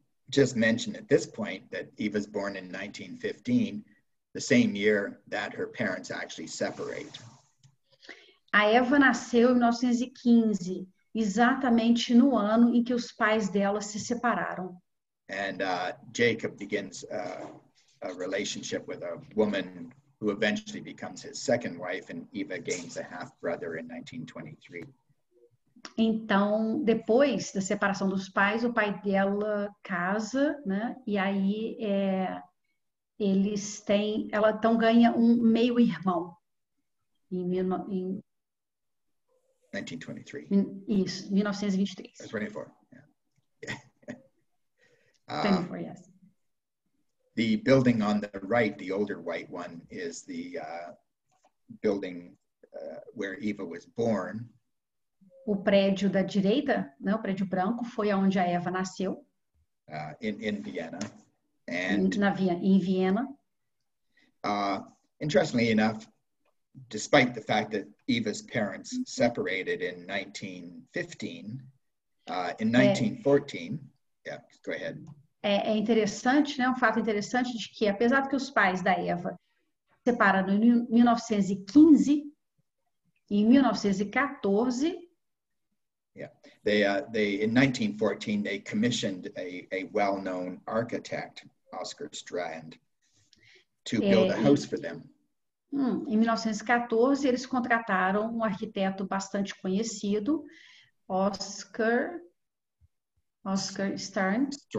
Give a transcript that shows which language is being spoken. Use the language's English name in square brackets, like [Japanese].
[English] Just mention at this point that Eva's born in 1915, the same year that her parents actually separate. [Portuguese] A Eva nasceu em 1915, exatamente no ano em que os pais dela se separaram. [English] And Jacob begins a relationship with a woman who eventually becomes his second wife, and Eva gains a half-brother in 1923. [Portuguese] Então, depois da separação dos pais, o pai dela casa, né? E aí ela então ganha um meio-irmão. Em 1923. Isso, 1923. 24, [English] yes. The building on the right, the older white one, is the building where Eva was born. [Portuguese] O prédio da direita, né, o prédio branco, foi onde a Eva nasceu. [English] In Vienna. [Portuguese] Em Viena. [English] Interestingly enough, despite the fact that Eva's parents separated in 1915, in 1914, go ahead. [Portuguese] É interessante, né? Um fato interessante de que, apesar de que os pais da Eva separaram em 1915, em 1914, [English] they in 1914 they commissioned a well-known architect, Oscar Strand, to build a house for them. [Portuguese] Em 1914, eles contrataram um arquiteto bastante conhecido, Oscar Strand.